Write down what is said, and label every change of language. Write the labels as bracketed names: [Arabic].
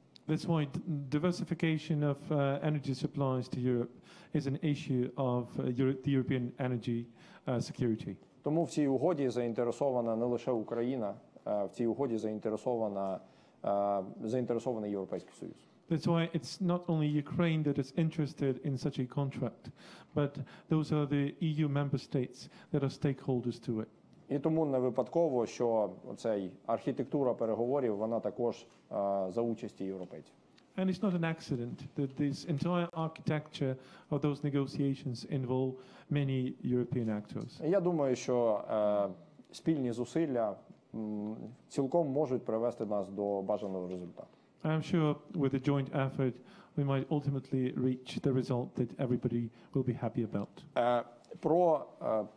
[English] That's why diversification of energy supplies to Europe is an issue of the European energy security. [Ukrainian] Тому в цій угоді заінтересована не лише Україна, в цій угоді заінтересований Європейський Союз. [English] That's why it's not only Ukraine that is interested in such a contract, but those are the EU member states that are stakeholders to it. [Ukrainian] І тому не випадково, що цей архітектура переговорів, вона також за участі європейців. [English] And it's not an accident that this entire architecture of those negotiations involve many European actors. [Ukrainian] Я думаю, що спільні зусилля цілком можуть привести нас до бажаного результату. [English] I'm sure with a joint effort we might ultimately reach the result that everybody will be happy about.